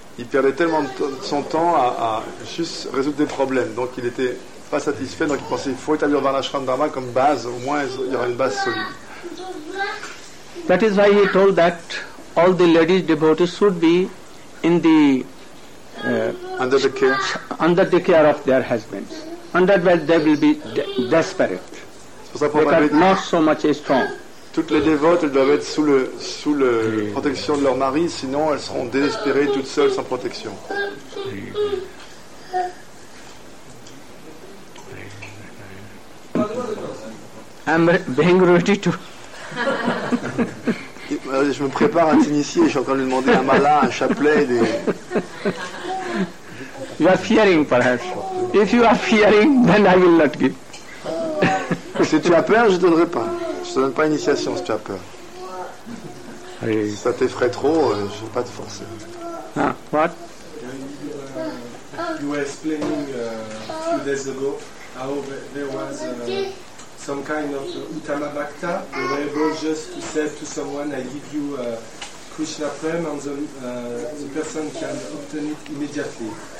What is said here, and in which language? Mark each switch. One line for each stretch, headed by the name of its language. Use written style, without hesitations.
French: Il perdait tellement son temps à juste résoudre des problèmes, donc il n'était pas satisfait, donc il pensait qu'il faut établir Varnashram Dharma comme base, au moins il y aura une base solide.
English: That is why he told that all the ladies devotees should be in the under the care of their husbands. Under that they will be desperate.
French: C'est pour ça qu'on avait dit,
English: not so much strong.
French: Toutes les dévotes, elles doivent être sous le protection de leur mari, sinon elles seront désespérées toutes seules sans protection.
English: I'm being ready to.
French: Je me prépare à t'initier, je suis en train de lui demander un mala, un chapelet. Des...
English: You are fearing, perhaps. If you are fearing, then I will not give.
French: Si tu as peur, je ne donnerai pas. Je ne te donne pas initiation si tu as peur. Oui. Si ça t'effraie trop, je ne vais pas te forcer.
English: Ah, what? You were explaining a few days ago how there was some kind of Uttama Bhakta. They were able just to say to someone, I give you Krishna Prem, and the person can obtain it immediately.